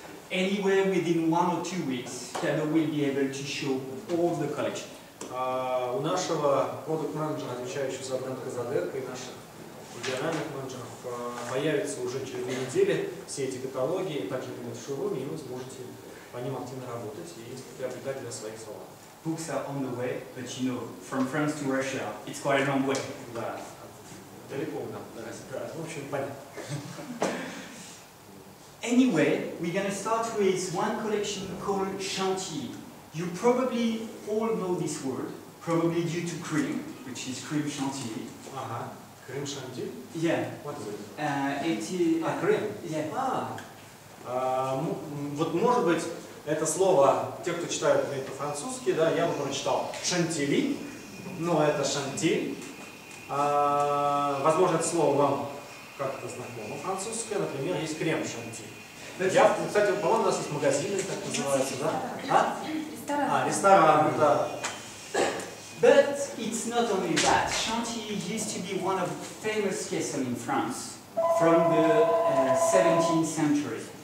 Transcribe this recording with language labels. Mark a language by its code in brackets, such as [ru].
[en] Anywhere within one or two weeks, Kendall will be able to show all the collection. [ru] У нашего продукт-менеджера, отвечающего за бренд Casadeco, и наших региональных менеджеров, появятся уже через 2 недели все эти каталоги, также будут в шоуруме, и вы сможете по ним активно работать и приобретать для своих салонов. [en] Books are on the way, but you know, from France to Russia, it's quite a long way. [ru] Да, далеко у нас. В общем, понятно. [en] Anyway, we're gonna start with one collection called Chantilly. You probably all know this word, probably due to cream, which is cream Chantilly. Cream Chantilly? Yeah. What is it? Cream? Yeah. [ru] Вот может быть. Это слово, те, кто читает это по-французски, да, я бы прочитал «шантили», но это «шантиль». Возможно, это слово вам как-то знакомо французское, например, есть крем «шантиль». Я, кстати, по-моему, у нас есть магазины, так называется, да? Ресторан, да. [en] But it's not only that. Chantilly used to be one of the famous castles in France from the 17th century.